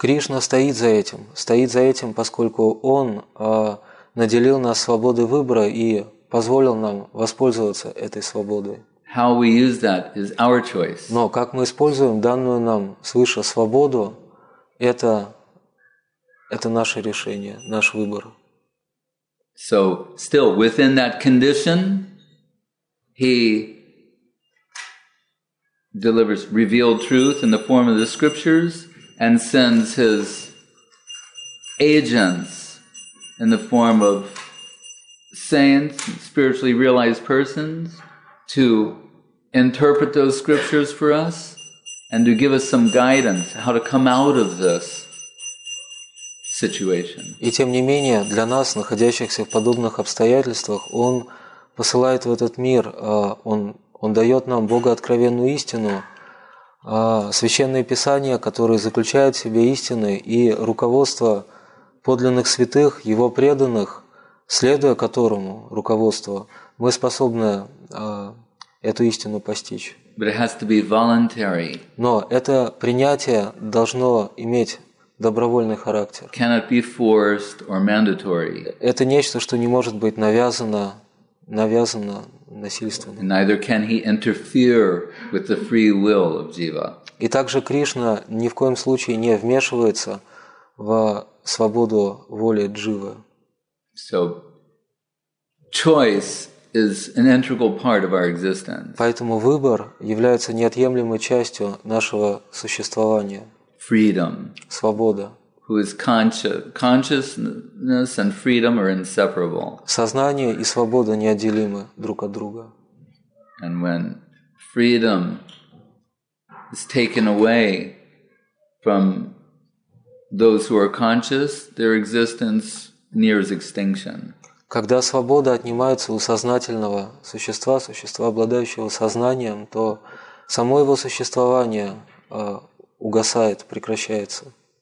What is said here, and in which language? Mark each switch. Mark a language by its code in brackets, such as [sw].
[ru] Кришна стоит за этим. Стоит за этим, поскольку он наделил нас свободой выбора и позволил нам воспользоваться этой свободой. [en] How we use that is our choice. [ru] Но как мы используем данную нам свыше свободу, это наше решение, наш выбор. [en] So, still within that condition, he delivers revealed truth in the form of the scriptures and sends his agents in the form of saints, spiritually realized persons, to interpret those scriptures for us and to give us some guidance how to come out of this situation. [ru] И тем не менее, для нас, находящихся в подобных обстоятельствах, он посылает в этот мир, он дает нам богооткровенную истину, священные писания, которые заключают в себе истины, и руководство подлинных святых, его преданных, следуя которому руководству, мы способны эту истину постичь. [en] But it has to be voluntary. [ru] Но это принятие должно иметь добровольный характер. [en] Cannot be forced or mandatory. [ru] Это нечто, что не может быть навязано насильственно. [en] And neither can he interfere with the free will of Jiva. [ru] И также Кришна ни в коем случае не вмешивается в свободу воли Дживы. [en] So, choice is an integral part of our existence. [ru] Поэтому выбор является неотъемлемой частью нашего существования. [en] Freedom. [ru] Свобода. [en] Who is consciousness and freedom are inseparable. [ru] Сознание и свобода неотделимы друг от друга. [en] And when freedom is taken away from those who are conscious, their existence nears extinction. [ru] Когда свобода отнимается у сознательного существа, существа, обладающего сознанием, то само его существование угасает, прекращается.